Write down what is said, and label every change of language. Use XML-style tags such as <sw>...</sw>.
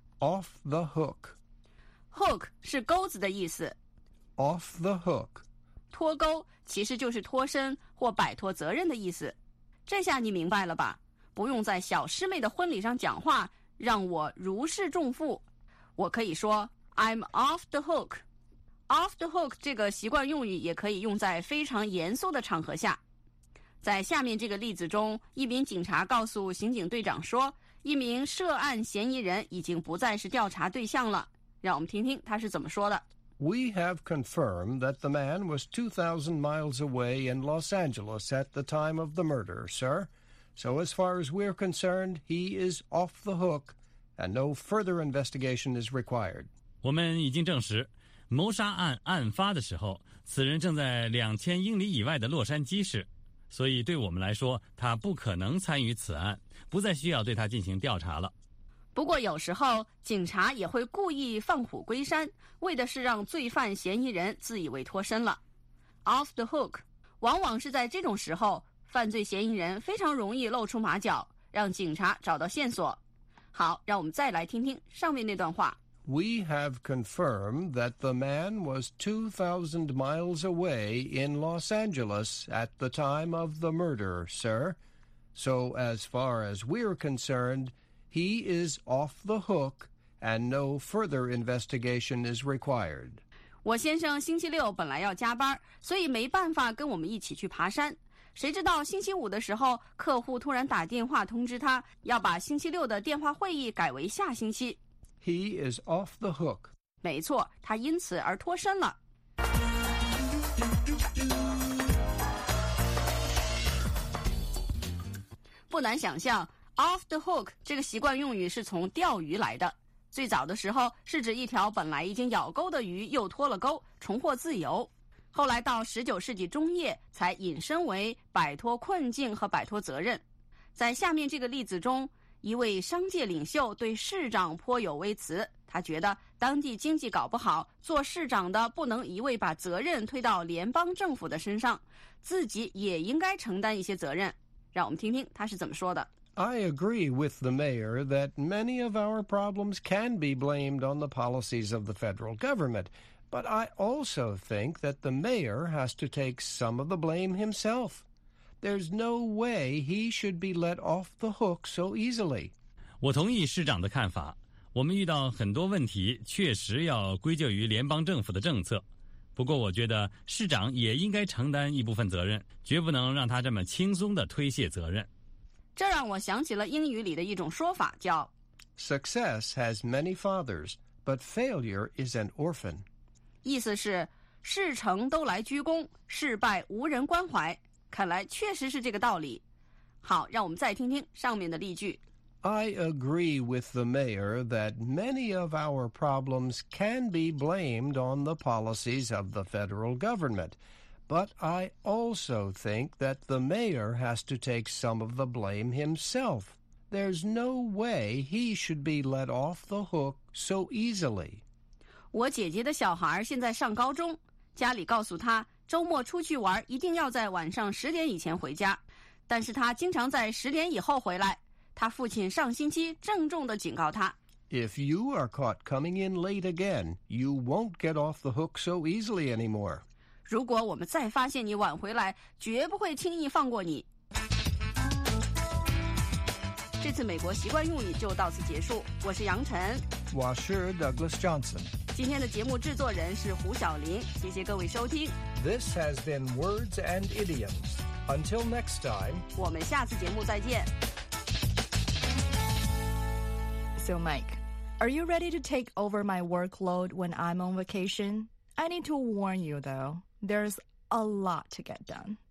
<en>Off the hook.</en> <zh>Hook 是钩子的意思。</zh> <en>Off the hook.</en> <zh>脱钩其实就是脱身或摆脱责任的意思，这下你明白了吧？不用在小师妹的婚礼上讲话，让我如释重负。我可以说</zh> <en>I'm off the hook. Off the hook</en> <zh>这个习惯用语也可以用在非常严肃的场合下。在下面这个例子中，一名警察告诉刑警队长说，一名涉案嫌疑人已经不再是调查对象了。让我们听听他是怎么说的。</zh> <en>We have confirmed that the man was 2,000 miles away in Los Angeles at the time of the murder, sir. So as far as we're concerned, he is off the hook, and no further investigation is required.</en> <zh>我们已经证实，谋杀案案发的时候，此人正在2000英里以外的洛杉矶市，所以对我们来说，他不可能参与此案，不再需要对他进行调查了。不过有时候警察也会故意放虎归山，为的是让罪犯嫌疑人自以为脱身了。</zh> <en>Off the hook</en> <zh>往往是在这种时候，犯罪嫌疑人非常容易露出马脚，让警察找到线索。好，让我们再来听听上面那段话。</zh> <en>We have confirmed that the man was 2,000 miles away in Los Angeles at the time of the murder, sir. So as far as we're concernedHe is off the hook, and no further investigation is required.</en> <zh>我先生星期六本来要加班，所以没办法跟我们一起去爬山。谁知道星期五的时候，客户突然打电话通知他，要把星期六的电话会议改为下星期。</zh> <en>He is off the hook.</en> <zh>没错，他因此而脱身了。不难想象</zh> <en>Off the hook</en> <zh>这个习惯用语是从钓鱼来的，最早的时候是指一条本来已经咬钩的鱼又脱了钩，重获自由，后来到19世纪中叶才引申为摆脱困境和摆脱责任。在下面这个例子中，一位商界领袖对市长颇有微词，他觉得当地经济搞不好，做市长的不能一味把责任推到联邦政府的身上，自己也应该承担一些责任。让我们听听他是怎么说的。</zh> <en>I agree with the mayor that many of our problems can be blamed on the policies of the federal government, but I also think that the mayor has to take some of the blame himself. There's no way he should be let off the hook so easily.</en> <zh>我同意市长的看法，我们遇到很多问题确实要归咎于联邦政府的政策，不过我觉得市长也应该承担一部分责任，绝不能让他这么轻松地推卸责任。这让我想起了英语里的一种说法，叫</zh> <en>Success has many fathers, but failure is an orphan.</en> <zh>意思是事成都来鞠躬，事败无人关怀。看来确实是这个道理。好，让我们再听听上面的例句。</zh> <en>I agree with the mayor that many of our problems can be blamed on the policies of the federal government. But I also think that the mayor has to take some of the blame himself. There's no way he should be let off the hook so easily.</en> <zh>我姐姐的小孩现在上高中，家里告诉她周末出去玩一定要在晚上十点以前回家，但是她经常在十点以后回来。她父亲上星期郑重地警告她。</zh> <en>If you are caught coming in late again, you won't get off the hook so easily anymore.</en> <zh>如果我们再发现你晚回来，绝不会轻易放过你。这次美国习惯用语就到此结束，我是杨晨。我是 Douglas Johnson。今天的节目制作人是胡晓琳，谢谢各位收听。</zh> <en>This has been Words and Idioms. Until next time.</en> <zh>我们下次节目再见。</zh> <en>So Mike, are you ready to take over my workload when I'm on vacation? I need to warn you though, there's a lot to get done.</en>